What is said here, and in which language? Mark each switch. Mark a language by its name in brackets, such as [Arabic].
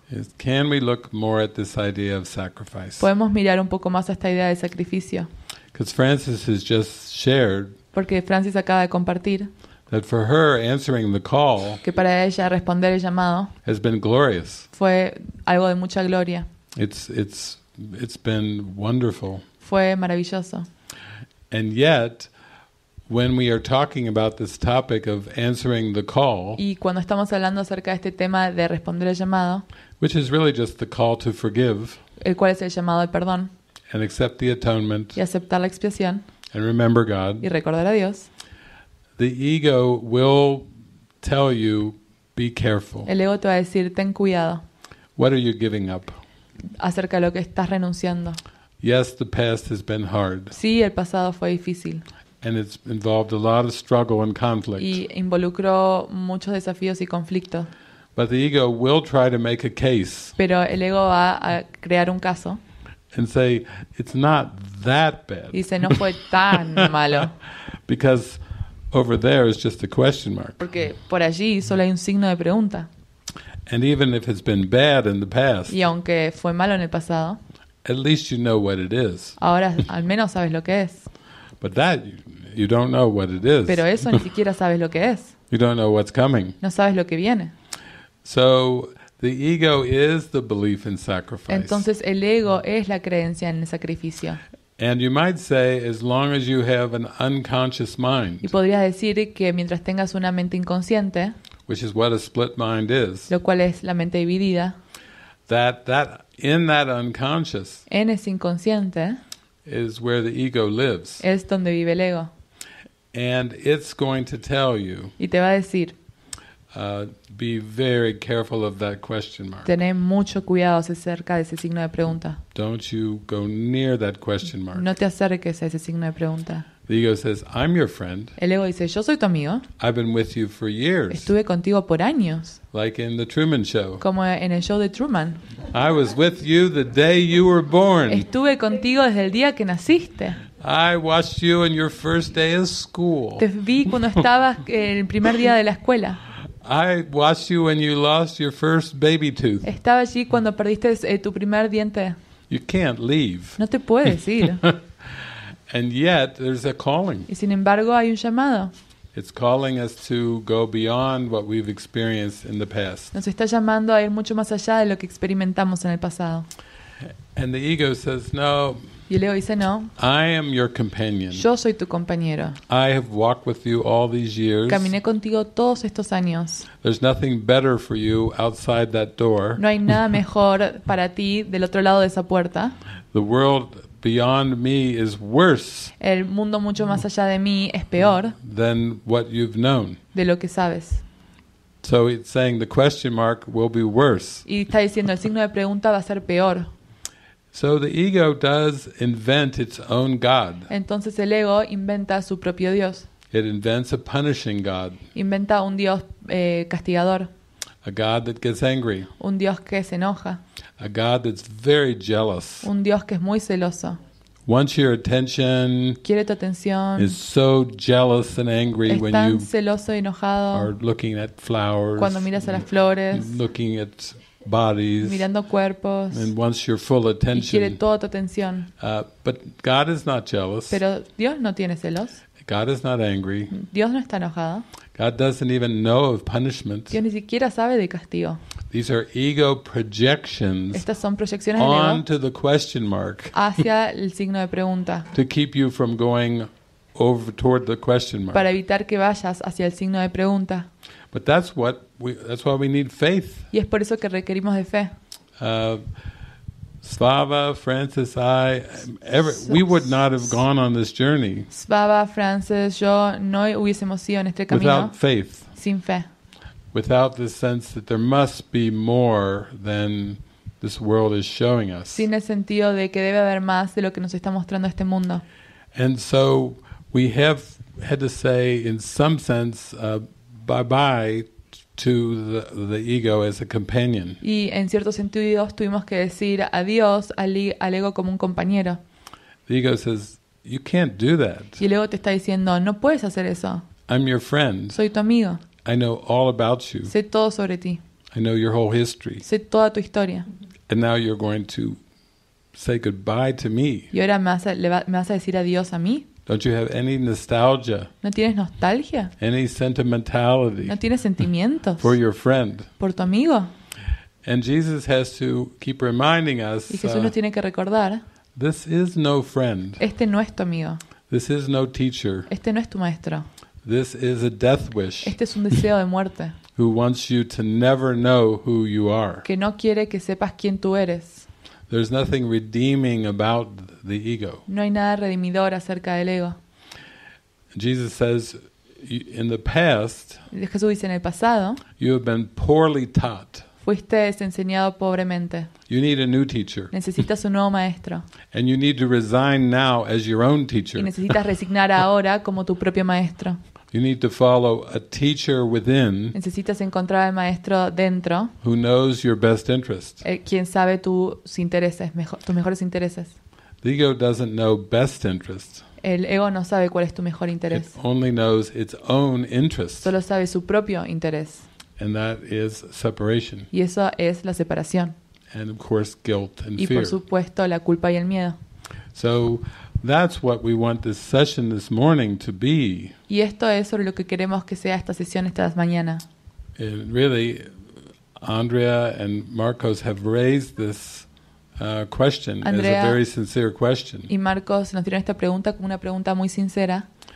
[English] Is can we look more at this idea of sacrifice? [Spanish] ¿Podemos mirar un poco más a esta idea de sacrificio? [English] Because Francis has just shared. [Spanish] Porque Francis acaba de compartir. [English] That for her answering the call. [Spanish] Que para ella responder el llamado. [English] Has been glorious. [Spanish] Fue algo de mucha gloria. [English] It's been wonderful. [Spanish] Fue maravilloso. [English] And yet, when we are talking about this topic of answering the call. [Spanish] Y cuando estamos hablando acerca de este tema de responder el llamado. [English] Which is really just the call to forgive. [Spanish] El cual es el llamado al perdón. [English] And accept the atonement. [Spanish] Y aceptar la expiación. [English] And remember God. [Spanish] Y recordar a Dios. [English] The ego will tell you, be careful. [Spanish] El ego te va a decir, ten cuidado. [English] What are you giving up? [Spanish] Acerca de lo que estás renunciando. [English] Yes, the past has been hard. [Spanish] Sí, el pasado fue difícil. [English] And it's involved a lot of struggle and conflict. [Spanish] Y involucró muchos desafíos y conflictos. [English] But the ego will try to make a case. [Spanish] Pero el ego va a crear un caso. [English] And say it's not that bad. [Spanish] Dice no fue tan malo. [English] Because over there is just a question mark. [Spanish] Porque por allí solo hay un signo de pregunta. [English] And even if it's been bad in the past. [Spanish] Y aunque fue malo en el pasado. [English] At least you know what it is. [Spanish] Ahora al menos sabes lo que es. [English] But that you don't know what it is. [Spanish] Pero eso ni siquiera sabes lo que es. [English] You don't know what's coming. [Spanish] No sabes lo que viene. [English] So the ego is the belief in sacrifice. [Spanish] Entonces el ego es la creencia en el sacrificio. [English] And you might say, as long as you have an unconscious mind. [Spanish] Y podrías decir que mientras tengas una mente inconsciente. [English] Which is what a split mind is. [Spanish] Lo cual es la mente dividida. [English] That in that unconscious. [Spanish] En ese inconsciente. [English] Is where the ego lives. [Spanish] Es donde vive el ego. [English] And it's going to tell you. [Spanish] Y te va a decir. [English] Be very careful of that question mark. [Spanish] Tené mucho cuidado acerca de ese signo de pregunta. [English] Don't you go near that question mark. [Spanish] No te acerques a ese signo de pregunta. [English] The ego says, "I'm your friend." [Spanish] El ego dice, "Yo soy tu amigo." [English] I've been with you for years. [Spanish] Estuve contigo por años. [English] Like in the Truman Show. [Spanish] Como en el show de Truman. [English] I was with you the day you were born. [Spanish] Estuve contigo desde el día que naciste. [English] I watched you on your first day of school. [Spanish] Te vi cuando estabas el primer día de la escuela. [English] I watched you when you lost your first baby tooth. [Spanish] Estaba allí cuando perdiste tu primer diente. [English] You can't leave. [Spanish] No te puedes ir. [English] And yet there's a calling. [Spanish] Y sin embargo hay un llamado. [English] It's calling us to go beyond what we've experienced in the past. [Spanish] Nos está llamando a ir mucho más allá de lo que experimentamos en el pasado. [English] And the ego says no. [Spanish] Y el ego dice no. [English] I am your companion. [Spanish] Yo soy tu compañero. [English] I have walked with you all these years. [Spanish] Caminé contigo todos estos años. [English] There's nothing better for you outside that door. [Spanish] No hay nada mejor para ti del otro lado de esa puerta. [English] The world beyond me is worse. [Spanish] El mundo mucho más allá de mí es peor. [English] Than what you've known. [Spanish] De lo que sabes. [English] So it's saying the question mark will be worse. [Spanish] Y está diciendo el signo de pregunta va a ser peor. [English] So the ego does invent its own god. [Spanish] Entonces el ego inventa su propio dios. [English] It invents a punishing god. [Spanish] Inventa un dios castigador. [English] A god that gets angry. [Spanish] Un dios que se enoja. [English] A god that's very jealous. [Spanish] Un dios que es muy celoso. [English] Wants your attention. [Spanish] Quiere tu atención. [English] Is so jealous and angry [Spanish] es tan [English] when you [Spanish] celoso y enojado [English] are looking at flowers. [Spanish] Cuando miras a las flores. [English] Looking at bodies. [Spanish] Mirando cuerpos. [English] And wants your full attention. [Spanish] Y quiere toda tu atención. [English] But God is not jealous. [Spanish] Pero Dios no tiene celos. [English] God is not angry. [Spanish] Dios no está enojado. [English] God doesn't even know of punishment. [Spanish] Dios ni siquiera sabe de castigo. [English] These are ego projections. [Spanish] Estas son proyecciones [English] del ego. Onto the question mark. [Spanish] Hacia el signo de pregunta. [English] To keep you from going over toward the question mark. [Spanish] Para evitar que vayas hacia el signo de pregunta. [English] But that's why we need faith. [Spanish] Y es por eso que requerimos de fe. [English] Svava, Francis, I, we would not have gone on this journey. [Spanish] Svava, Francis, yo no hubiésemos ido en este camino. [English] Without faith. [Spanish] Sin fe. [English] Without the sense that there must be more than this world is showing us. [Spanish] Sin el sentido de que debe haber más de lo que nos está mostrando este mundo. [English] And so we have had to say, in some sense, bye bye. To the ego as a companion. [Spanish] Y en cierto sentido tuvimos que decir adiós al ego como un compañero. [English] The ego says, "You can't do that." [Spanish] Y el ego te está diciendo, no puedes hacer eso. [English] I'm your friend. [Spanish] Soy tu amigo. [English] I know all about you. [Spanish] Sé todo sobre ti. [English] I know your whole history. [Spanish] Sé toda tu historia. [English] And now you're going to say goodbye to me. [Spanish] Y ahora me vas a decir adiós a mí. [English] Don't you have any nostalgia? [Spanish] ¿No tienes nostalgia? [English] Any sentimentality? [Spanish] ¿No tienes sentimientos? [English] For your friend. [Spanish] ¿Por tu amigo? [English] And Jesus has to keep reminding us. [Spanish] Y Jesús nos tiene que recordar. [English] This is no friend. [Spanish] Este no es tu amigo. [English] This is no teacher. [Spanish] Este no es tu maestro. [English] This is a death wish. [Spanish] Este es un deseo de muerte. [English] Who wants you to never know who you are? [Spanish] Que no quiere que sepas quién tú eres. [English] There's nothing redeeming about the ego. [Spanish] No hay nada redimidor acerca del ego. [English] Jesus says, in the past, [Spanish] Jesús dice en el pasado, [English] you have been poorly taught. [Spanish] Fuiste enseñado pobremente. [English] You need a new teacher. [Spanish] Necesitas un nuevo maestro. [English] And you need to resign now as your own teacher. [Spanish] Y necesitas resignar ahora como tu propio maestro. [English] You need to follow a teacher within. [Spanish] Necesitas encontrar al maestro dentro. [English] Who knows your best interests? [Spanish] Quien sabe tus intereses, tus mejores intereses. [English] The ego doesn't know best interests. [Spanish] El ego no sabe cuál es tu mejor interés. [English] It only knows its own interests. [Spanish] Solo sabe su propio interés. [English] And that is separation. [Spanish] Y eso es la separación. [English] And of course, guilt and fear. [Spanish] Y por supuesto, la culpa y el miedo. [English] So. That's what we want this session this morning to be. [Spanish] Y esto es sobre lo que queremos que sea esta sesión esta mañana. [English] And really, Andrea and Marcos have raised this question [Spanish] Andrea [English] as a very sincere question. [Spanish] Y Marcos nos dieron esta pregunta como una pregunta muy sincera.